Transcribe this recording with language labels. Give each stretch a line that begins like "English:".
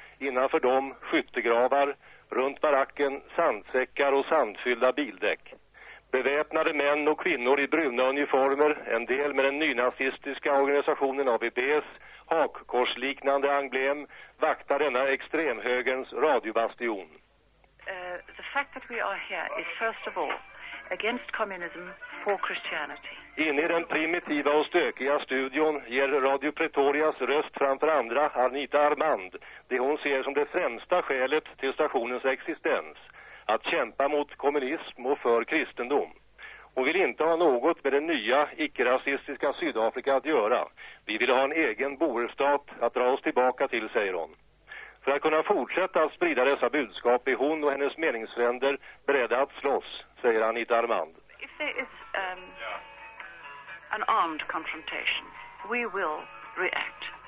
Swedish: Innanför dem skyttegravar, runt baracken sandsäckar och sandfyllda bildäck. Beväpnade män och kvinnor i bruna uniformer, en del med den nynazistiska organisationen ABBs hakkorsliknande emblem, vaktar denna extremhögerns radiobastion.
English: The fact that we are here is first of all against communism, for Christianity.
Swedish: Inne i den primitiva och stökiga studion ger Radio Pretorias röst framför andra Anita Armand det hon ser som det främsta skälet till stationens existens. Att kämpa mot kommunism och för kristendom. Och vill inte ha något med det nya, icke-rasistiska Sydafrika att göra. Vi vill ha en egen boerstat att dra oss tillbaka till, säger hon. För att kunna fortsätta att sprida dessa budskap är hon och hennes meningsfränder beredda att slåss, säger Anita Armand.
English: If there is an armed confrontation, we will react.